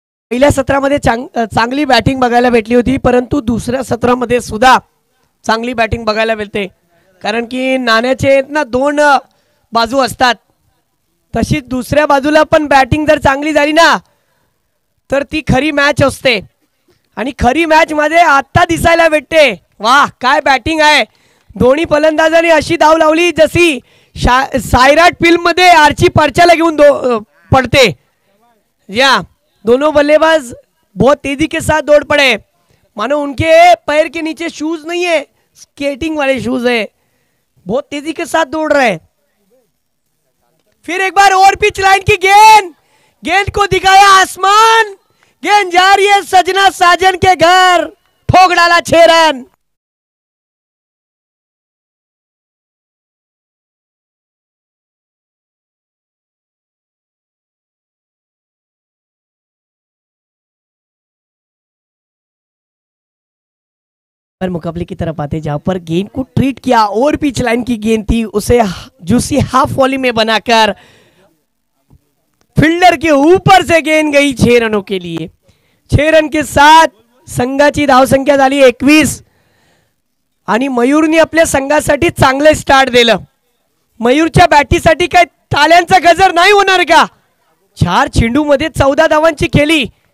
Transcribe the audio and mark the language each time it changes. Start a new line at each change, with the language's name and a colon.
Marathi: पहिल्या सत्रामध्ये चांगली बॅटिंग बघायला भेटली होती, परंतु दुसऱ्या सत्रामध्ये सुद्धा चांगली बॅटिंग बघायला भेटते, कारण की नाण्याचे ना दोन बाजू असतात, तशी दुसऱ्या बाजूला पण बॅटिंग जर चांगली झाली ना तर ती खरी मॅच असते, आणि खरी मॅच मध्ये आता दिसायला भेटते। वाह काय बॅटिंग आहे, दोन्ही फलंदाजांनी अशी धाव लावली जशी सायराट फिल्म मध्ये आर्ची परचाला घेऊन पडते।
Hindi: या दोनों बल्लेबाज बहुत तेजी के साथ दौड़ पड़े, मानो उनके पैर के नीचे शूज नहीं है, स्केटिंग वाले शूज है, बहुत तेजी के साथ दौड़ रहे। फिर एक बार ओवर पिच लाइन की गेंद, गेंद को दिखाया आसमान, गेंद जा रही है सजना साजन के घर, ठोक डाला 6 रन। पर मुकाबले की तरफ आते, जहां पर गेंद को ट्रीट किया, ओवर पिच लाइन की गेंद थी, उसे जूसी हाफ वॉली में बनाकर फील्डर के ऊपर से गेंद गई 6 रनों के लिए।
Marathi: 6 रन के साथ संघाची धाव संख्या झाली 21, आणि मयूरने आपल्या संघासाठी चांगले स्टार्ट दिलं। मयूरच्या बॅटीसाठी काय ताल्यांचा गजर नाही होणार का, 4 चेंडू मध्ये 14 धावांची खेळी।